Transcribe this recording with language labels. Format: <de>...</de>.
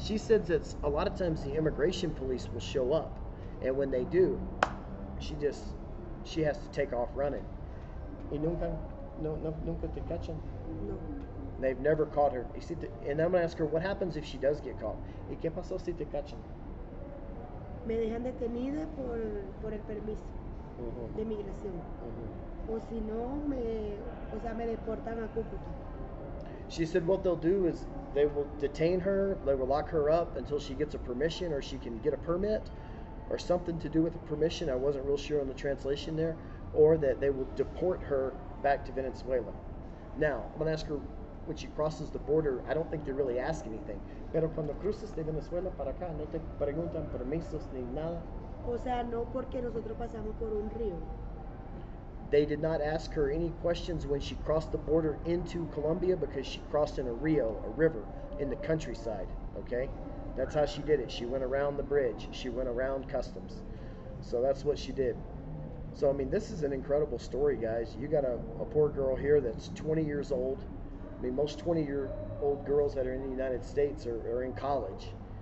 <en>She says that a lot of times the immigration police will show up, and when they do, she has to take off running.</en> <es>¿Y nunca, nunca te cachan? No.</es> <en>They've never caught her. And I'm going to ask her, what happens if she does get caught?</en> <es>¿Y qué pasó si te cachan? Me dejan detenida por el permiso de migración. Uh-huh. O si no, me deportan a Cúcuta.</es> <en>She said what they'll do is they will detain her, they will lock her up until she gets a permission or she can get a permit. Or something to do with the permission, I wasn't real sure on the translation there, or that they will deport her back to Venezuela. Now, I'm going to ask her, when she crosses the border, I don't think they really ask anything.</en> <es>Pero cuando cruces de Venezuela para acá, no te preguntan permisos ni nada. O sea, no porque nosotros pasamos por un río.</es> <en>They did not ask her any questions when she crossed the border into Colombia because she crossed in a río, a river, in the countryside, okay? That's how she did it. She went around the bridge. She went around customs. So that's what she did. So, I mean, this is an incredible story, guys. You got a poor girl here that's 20 years old. I mean, most 20-year-old girls that are in the United States are in college.</en>